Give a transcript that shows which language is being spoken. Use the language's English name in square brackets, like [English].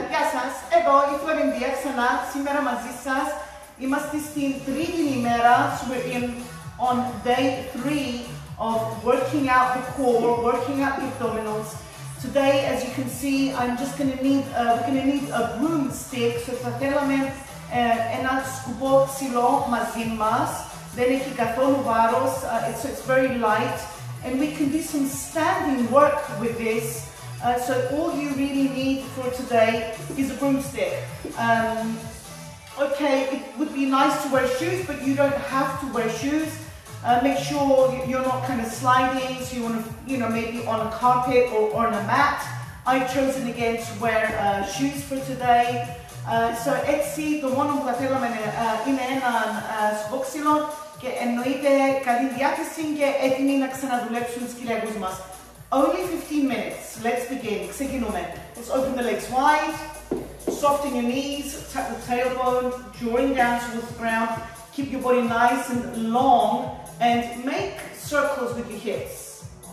[Greek] Γεια σας, εγώ η Φλωρινδία ξανά σήμερα μαζί σας. Είμαστε στην τρίτη ημέρα. [English] So we're in on day 3 of working out the core, working out the abdominals. Today, as you can see, I'm just going to need a broomstick. [Greek] So θα θέλαμε ένα σκουπό ψηλό μαζί μας. Δεν έχει καθόλου βάρος, [English] it's very light. And we can do some standing work with this. So all you really need for today is a broomstick. Okay, it would be nice to wear shoes, but you don't have to wear shoes. Make sure you're not kind of sliding, so you want to, you know, maybe on a carpet or on a mat. I've chosen again to wear shoes for today. [Greek] So έτσι, το μόνο που θα θέλαμε είναι ένα σκόξυλο και εννοείται καλή διάθεση και έτοιμοι να ξαναδουλέψουν τους κυλιακούς μας. [English] Only 15 minutes, let's begin. [Greek] Ξεκινούμε. [English] Let's open the legs wide, soften your knees, tap the tailbone, drawing down towards the ground. Keep your body nice and long and make circles with your hips.